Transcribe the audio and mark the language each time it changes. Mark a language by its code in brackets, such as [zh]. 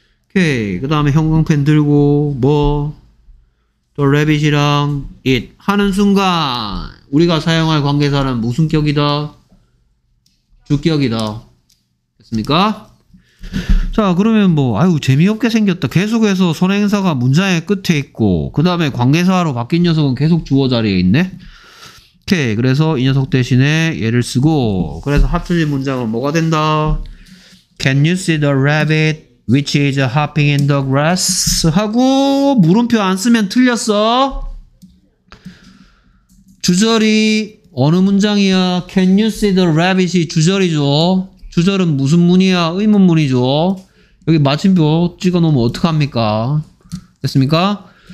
[ko] 오케이. 그 다음에 형광펜 들고 뭐 The rabbit이랑 it 하는 순간 우리가 사용할 관계사는 무슨 격이다? 주격이다. 됐습니까? 자 그러면 뭐 아유 재미없게 생겼다. 계속해서 선행사가 문장의 끝에 있고 그 다음에 관계사로 바뀐 녀석은 계속 주어 자리에 있네. 오케이. 그래서 이 녀석 대신에 얘를 쓰고 그래서 합쳐진 문장은 뭐가 된다? [en] Can you see the rabbit which is hopping in the grass? [ko] 하고 물음표 안 쓰면 틀렸어. 주절이 어느 문장이야? [en] Can you see the rabbit [ko] 이 주절이죠. 주절은 무슨 문이야? 의문문이죠. 여기 마침표 찍어놓으면 어떡합니까? 됐습니까?